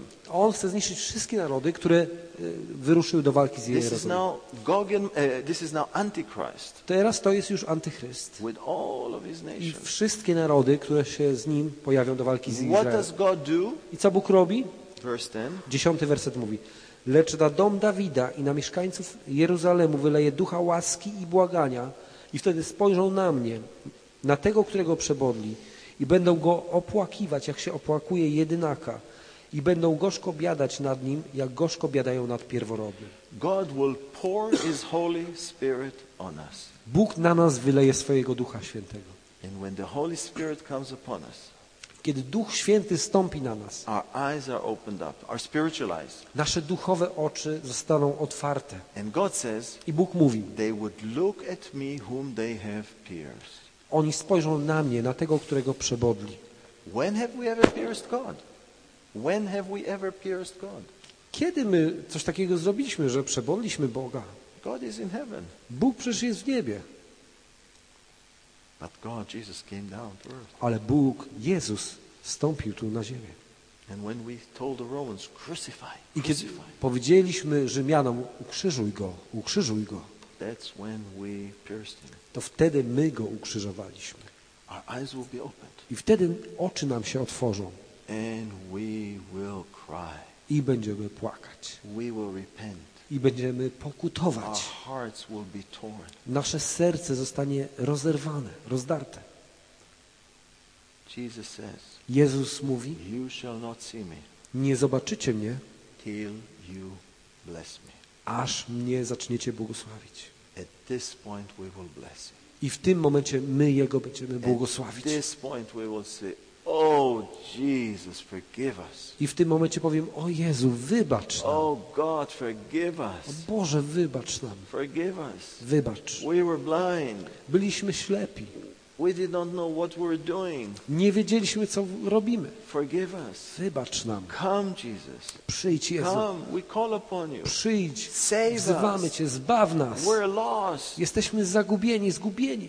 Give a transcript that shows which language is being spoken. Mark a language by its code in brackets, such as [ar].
[pl] On chce zniszczyć wszystkie narody, które wyruszyły do walki z Jeruzalem. [en] This is now Gogen, this is now Antichrist. [pl] Teraz to jest już Antychryst. [en] With all of his nations. [pl] I wszystkie narody, które się z nim pojawią do walki z Izraelem. [en] What does God do? [pl] I co Bóg robi? [en] Verse 10. [pl] 10 werset mówi. Lecz na dom Dawida i na mieszkańców Jeruzalemu wyleje ducha łaski i błagania i wtedy spojrzą na mnie, na tego, którego przebodli i będą go opłakiwać, jak się opłakuje jedynaka i będą gorzko biadać nad nim, jak gorzko biadają nad pierworodnym. [en] God will pour his Holy Spirit on us. [pl] Bóg na nas wyleje swojego Ducha Świętego. [en] And when the Holy Spirit comes upon us, [pl] kiedy Duch Święty stąpi na nas, [en] our eyes are opened up, our spiritual eyes. [pl] Nasze duchowe oczy zostaną otwarte. [en] And God says, [pl] i Bóg mówi, [en] they would look at me whom they have pierced. [pl] Oni spojrzą na mnie, na tego, którego przebodli. [en] When have we ever pierced God? When have we ever pierced God? [pl] Kiedy my coś takiego zrobiliśmy, że przebodliśmy Boga? [en] God is in heaven. [pl] Bóg przecież jest w niebie. [en] But God, Jesus came down to earth. [pl] Ale Bóg, Jezus, stąpił tu na ziemię. [en] And when we told the Romans, crucify, [pl] i kiedy powiedzieliśmy Rzymianom, ukrzyżuj Go, ukrzyżuj Go, [en] that's when we pierced him. [pl] To wtedy my Go ukrzyżowaliśmy. [en] Our eyes will be opened. [pl] I wtedy oczy nam się otworzą. [en] And we will cry. [pl] I będziemy płakać. [en] We will repent. [pl] I będziemy pokutować. [en] Our hearts will be torn. [pl] Nasze serce zostanie rozerwane, rozdarte. [en] Jesus says, [pl] Jezus mówi, [en] you shall not see me, [pl] nie zobaczycie mnie, [en] till you bless me. [pl] Aż mnie zaczniecie błogosławić. [en] At this point we will bless him. [pl] I w tym momencie my Jego będziemy błogosławić. [en] At this point we will say, oh, Jesus, forgive us. [pl] I w tym momencie powiem, o Jezu, wybacz nam. [en] Oh, God, forgive us. [pl] O Boże, wybacz nam. [en] Forgive us. [pl] Wybacz. [en] We were blind. [pl] Byliśmy ślepi. [en] We did not know what we were doing. [pl] Nie wiedzieliśmy, co robimy. [en] Forgive us. [pl] Wybacz nam. [en] Come, Jesus. [pl] Przyjdź, Jezu. [en] Come, we call upon you. [pl] Przyjdź. [en] Save us. [pl] Wzywamy Cię, zbaw nas. [en] We're lost. [pl] Jesteśmy zagubieni, zgubieni.